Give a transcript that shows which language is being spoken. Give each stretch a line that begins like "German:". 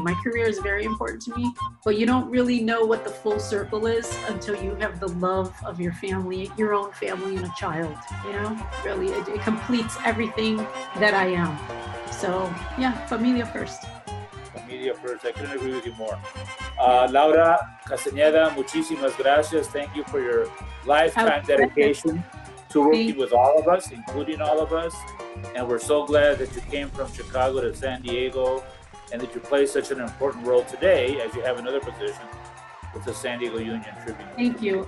English: My career is very important to me. But you don't really know what the full circle is until you have the love of your family, your own family, and a child. You know, really, it completes everything that I am. So, yeah, familia first. Familia first. I couldn't agree with you more.
Spanish: Laura Castañeda, muchísimas gracias.
English: Thank you for your lifetime dedication to working with all of us, including all of us. And we're so glad that you came from Chicago to San Diego and that you play such an important role today as you have another position with the San Diego Union Tribune. Thank you.